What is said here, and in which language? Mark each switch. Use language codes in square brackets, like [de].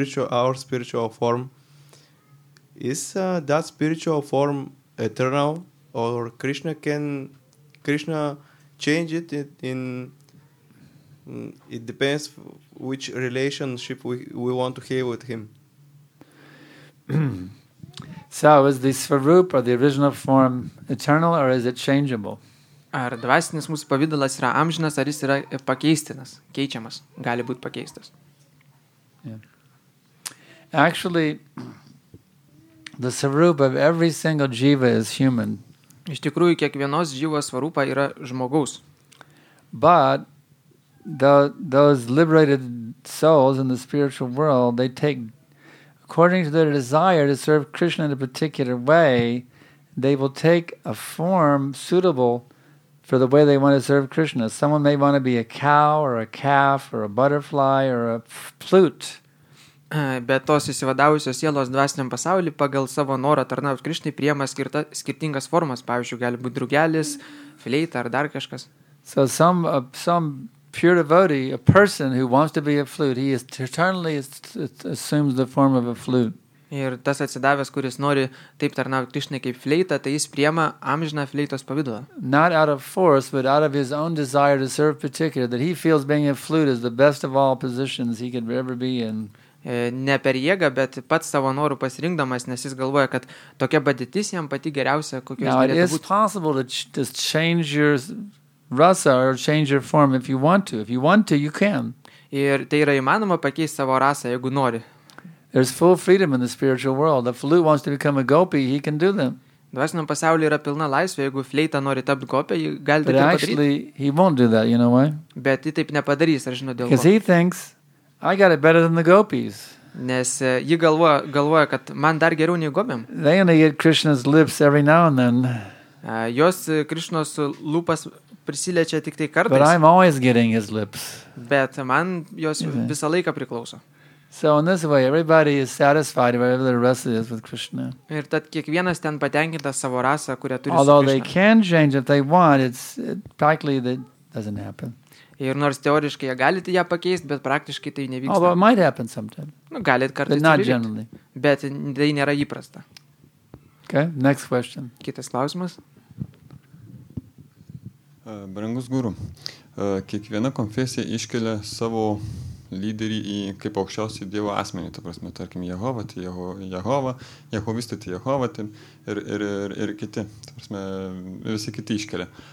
[en] I want to ask in relation with our spiritual form, is that spiritual form eternal, or Krishna change it in? It depends which relationship we want to have with him. So is the svarup or the original form eternal, or is it changeable? [lt] Ar dvasinis mūsų pavidalas yra amžinas, ar jis yra pakeistinas, keičiamas, gali būti pakeistas. [en] Yeah. Actually, the svarupa of every single jiva is human. [lt] Iš tikrųjų, kiekvienos jivos svarupa yra žmogaus. [en] But those liberated souls in the spiritual world, they take, according to their desire to serve Krishna in a particular way, they will take a form suitable for the way they want to serve Krishna. Someone may want to be a cow or a calf or a butterfly or a flute. [lt] Bet tos įsivadavusios sielos dvasiniam pasaulį pagal savo norą tarnauti Krishnai priema skirtingas formas, pavyzdžiui, gali būti drugelis, fleita ar dar kažkas. [en] So some pure devotee, a person who wants to be a flute, he is eternally assumes the form of a flute. [lt] Ir tas atsidavęs, kuris nori taip tarnauti Krishnai kaip fleita, tai jis priema amžiną fleitos pavidalą. [en] Not out of force, but out of his own desire to serve particular, that he feels being a flute is the best of all positions he could ever be in. [lt] Ne per jėgą, bet pats savo norų pasirinkdamas, nes jis galvoja, kad tokia padėtis jam pati geriausia, kokios [en] Now, [lt] galėtų būti. [en] Now, it is possible to just change your rasa or change your form if you want to. If you want to, you can. [lt] Ir tai yra įmanoma pakeisti savo rasą, jeigu nori. [en] There's full freedom in the spiritual world. If flute wants to become a gopi, he can do them. [lt] Dvasiniam pasaulyje yra pilna laisvė, jeigu fleita nori tapti gopi, jį gali [en] But [lt] tai padaryti. [en] Actually, he won't do that, you know why? [lt] Bet jį taip nepadarys, ar žino dėl ko. [en] Because he thinks, I got it better than the gopis. [lt] Nes ji galvoja, kad man dar geriau nei gopiam. [en] They only get Krishna's lips every now and then. [lt] Jos Krishnos lūpas prisiliečia tik tai kartais. [en] But I'm always getting his lips. [lt] Bet man jos visą laiką priklauso. [en] So in this way, everybody is satisfied whatever their rasa is with Krishna. [lt] Ir tad kiekvienas ten patenkintas savo rasą, kurią turi [en] Although [lt] su Krishna. [en] Although they can change if they want, practically that doesn't happen. [lt] Ir nors teoriškai jie galite ją pakeisti, bet praktiškai tai nevyksta. [en] Although it might happen sometime. [lt] Nu, galit kartais [en] But not [lt] turėti, [en] generally. [lt] Bet tai nėra įprasta. [en] Okay, next question. [lt] Kitas klausimas. Brangus guru, kiekviena konfesija iškelia savo lyderį į kaip aukščiausiai dievo asmenį, ta prasme, tarkim, Jehova, tai Jehova, Jehovistai, tai Jehova, tai ir kiti, ta prasme, visi kiti iškelia.